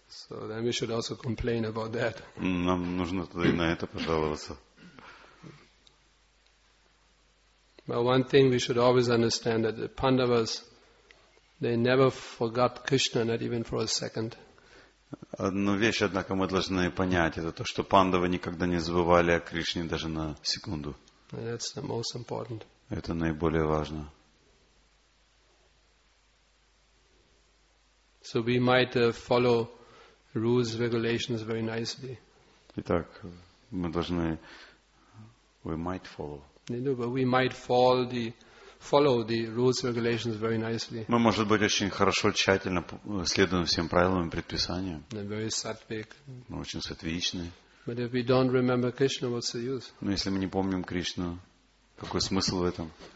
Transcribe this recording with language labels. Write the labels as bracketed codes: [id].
[en] So then we should also complain about that. [ru] Нам нужно тогда и на это пожаловаться. [en] But one thing we should always understand that the Pandavas, they never forgot Krishna, not even for a second. [ru] Одну вещь, однако, мы должны понять, это то, что Пандавы никогда не забывали о Кришне даже на секунду. [en] And that's the most important. [ru] Это наиболее важно. [en] So we might follow rules, regulations very nicely. [ru] Итак, мы должны. [en] We might follow. No, but we might follow the rules, regulations very nicely. [ru] Мы, может быть, очень хорошо, тщательно следуем всем правилам и предписаниям. [en] And very sattvic. [ru] Мы очень сатвичные. [en] But if we don't remember Krishna, what's the use? [ru] Но если мы не помним Кришну, какой смысл в этом?